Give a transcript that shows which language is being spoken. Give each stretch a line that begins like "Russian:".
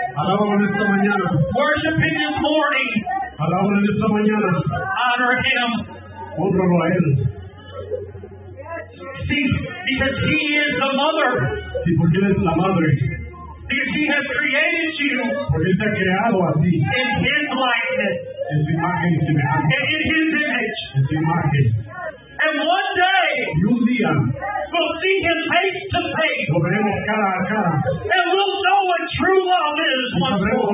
Spanish: Alabado en esta mañana.
English: Worship him this morning.
Spanish: Alabado en esta mañana.
English: Honor him.
Spanish: Honralo a él.
English: See, because he is the mother.
Spanish: Sí, porque él es la madre.
English: Because he has created you.
Spanish: Porque él te ha creado a ti.
English: In his likeness.
Spanish: En su imagen y semejanza.
English: And in his image.
Spanish: En su imagen.
English: And one day, Lucia, we'll see him face to face.
Spanish: Lo veremos cara a cara.
English: And we'll know what true love is once more.